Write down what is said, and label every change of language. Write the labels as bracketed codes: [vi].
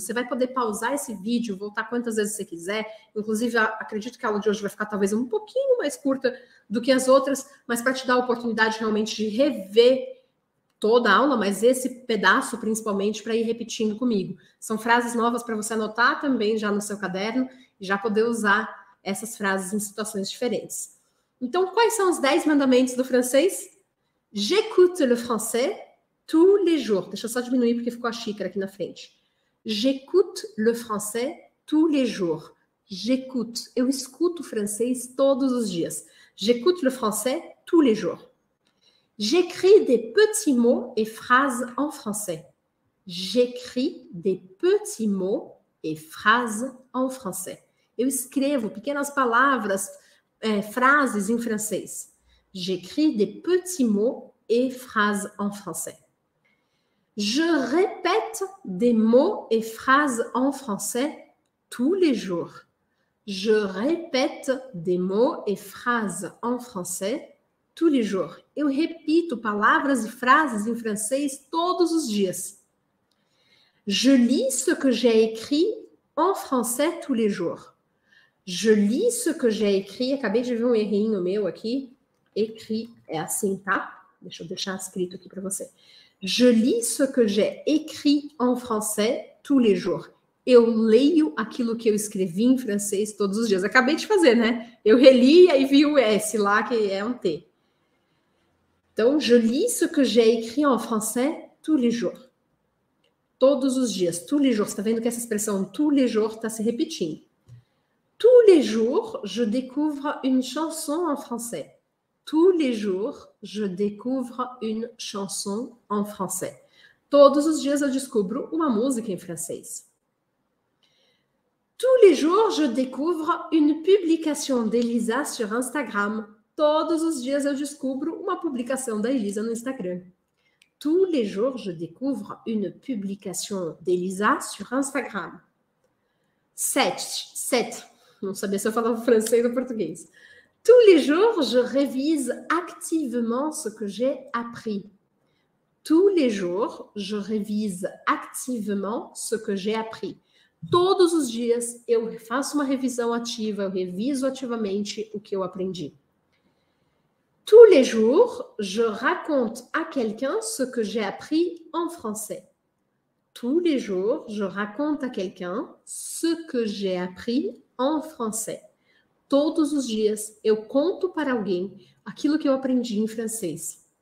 [pt] Você vai poder pausar esse vídeo, voltar quantas vezes você quiser. Inclusive, acredito que a aula de hoje vai ficar talvez um pouquinho mais curta do que as outras, mas para te dar a oportunidade realmente de rever toda a aula, mas esse pedaço principalmente para ir repetindo comigo. São frases novas para você anotar também já no seu caderno e já poder usar essas frases em situações diferentes. Então, quais são os 10 mandamentos do francês? [fr] J'écoute le français tous les jours. [pt] Deixa eu só diminuir porque ficou a xícara aqui na frente. [fr] J'écoute le français tous les jours. J'écoute. [pt] Eu escuto francês todos os dias. [fr] J'écoute le français tous les jours. J'écris des petits mots et phrases en français. J'écris des petits mots et phrases en français. [pt] Eu escrevo pequenas palavras. Frases em francês. [fr] J'écris des petits mots et phrases en français. Je répète des mots et phrases en français tous les jours. Je répète des mots et phrases en français tous les jours. [pt] Eu repito palavras e frases em francês todos os dias. [fr] Je lis ce que j'ai écrit en français tous les jours. Je lis ce que j'ai écrit. [pt] Acabei de ver um errinho meu aqui. Écrit é assim, tá? Deixa eu deixar escrito aqui para você. [fr] Je lis ce que j'ai écrit en français tous les jours. [pt] Eu leio aquilo que eu escrevi em francês todos os dias. Acabei de fazer, né? Eu reli e vi o S lá, que é um T. Então, [fr] je lis ce que j'ai écrit en français tous les jours. [pt] Todos os dias, [fr] tous les jours. [pt] Você está vendo que essa expressão tous les jours está se repetindo. [fr] Tous les jours, je découvre une chanson en français. Tous les jours, je découvre une chanson en français. [pt] Todos os dias eu descubro uma música em francês. [fr] Tous les jours, je découvre une publication d'Elisa sur Instagram. [pt] Todos os dias eu descubro uma publicação da Elisa no Instagram. [fr] Tous les jours, je découvre une publication d'Elisa sur Instagram. Sept. [pt] Não sabia se eu falava francês ou português. [fr] Tous les jours, je révise activement ce que j'ai appris. Tous les jours, je révise activement ce que j'ai appris. [pt] Todos os dias, eu faço uma revisão ativa, eu reviso ativamente o que eu aprendi. [fr] Tous les jours, je raconte à quelqu'un ce que j'ai appris en français. Tous les jours, je raconte à quelqu'un ce que j'ai appris en français. [pt] Todos os dias, eu conto para alguém aquilo que eu aprendi em francês.